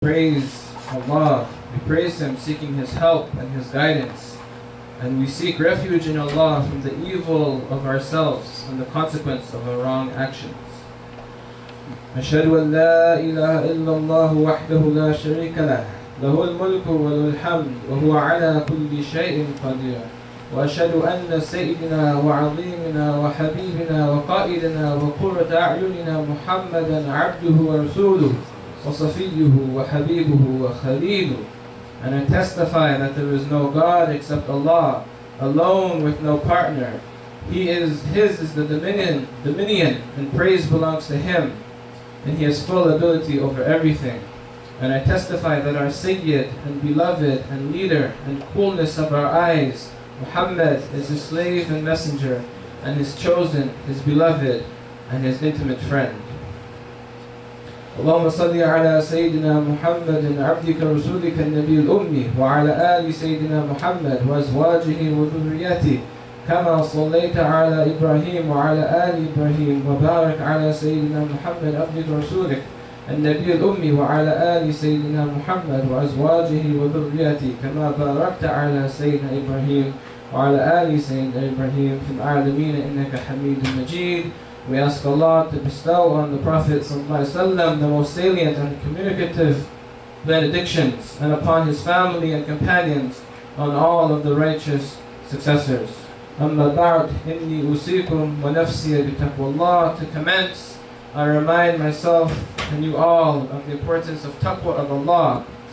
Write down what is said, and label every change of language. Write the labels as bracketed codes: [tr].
[en] praise Allah, we praise Him seeking His help and His guidance, and we seek refuge in Allah from the evil of ourselves and the consequence of our wrong actions. [ar] أشهد أن لا إله إلا الله وحده لا شريك له له الملك وله الحمد وهو على كل شيء قدير وأشهد أن سيدنا وعظيمنا وحبيبنا وقائدنا وقرة أعيننا محمدا عبده ورسوله وصفيه وحبيبه وخليله. [en] And I testify that there is no God except Allah, alone with no partner. His is the dominion, and praise belongs to Him, and He has full ability over everything. And I testify that our Sayyid and beloved and leader and coolness of our eyes, Muhammad, is His slave and messenger, and His chosen, His beloved, and His intimate friend. [ar] اللهم صل على سيدنا محمد عبدك رسولك النبي الأمي وعلى آل سيدنا محمد وأزواجه وذريته كما صليت على إبراهيم وعلى آل إبراهيم وبارك على سيدنا محمد عبدك رسولك النبي الأمي وعلى آل سيدنا محمد وأزواجه وذريته كما باركت على سيدنا إبراهيم وعلى آل سيدنا إبراهيم في العالمين إنك حميد مجيد. [en] We ask Allah to bestow on the Prophet ﷺ the most salient and communicative benedictions, and upon his family and companions, on all of the righteous successors. [ar] أَمَّا بَعْدْ إِنِّي أُسِيكُمْ وَنَفْسِيَ بِتَقْوَى اللَّهِ. [en] To commence, I remind myself and you all of the importance of taqwa of Allah.